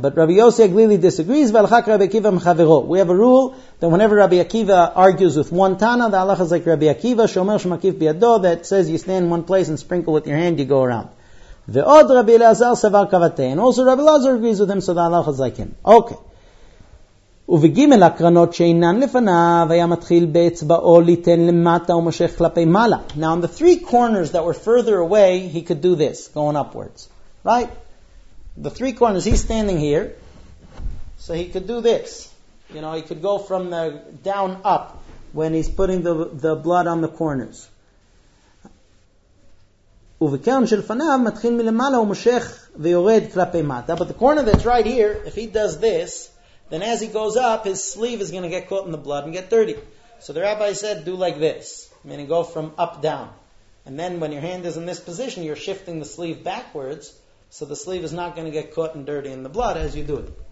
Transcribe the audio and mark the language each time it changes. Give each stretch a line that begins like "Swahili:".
English: But Rabbi Yossi Aglili disagrees,
Hebrew: v'alachak Rabbi Akiva mchavero.
English: We have a rule that whenever Rabbi Akiva argues with one Tana, the halacha is like Rabbi Akiva,
Hebrew: shomer shmakif biyado,
English: that says you stand in one place and sprinkle with your hand, you go around.
Hebrew: Ve'od Rabbi Elazar savar kavate.
English: And also Rabbi Elazar agrees with him, so the halacha is like him. Okay.
Hebrew: ובגימל הקרנות שאינן לפניו היה מתחיל באצבעו ליתן למטה ומשך כלפי מעלה.
English: Now on the three corners that were further away, he could do this, going upwards. Right? The three corners, he's standing here, so he could do this. You know, he could go from the down up when he's putting the blood on the corners.
Hebrew: ובקרן שלפניו מתחיל מלמעלה ומושך ויורד כלפי מטה.
English: But the corner that's right here, if he does this, then as he goes up, his sleeve is going to get caught in the blood and get dirty. So the rabbi said, do like this, meaning go from up down. And then when your hand is in this position, you're shifting the sleeve backwards, so the sleeve is not going to get caught and dirty in the blood as you do it.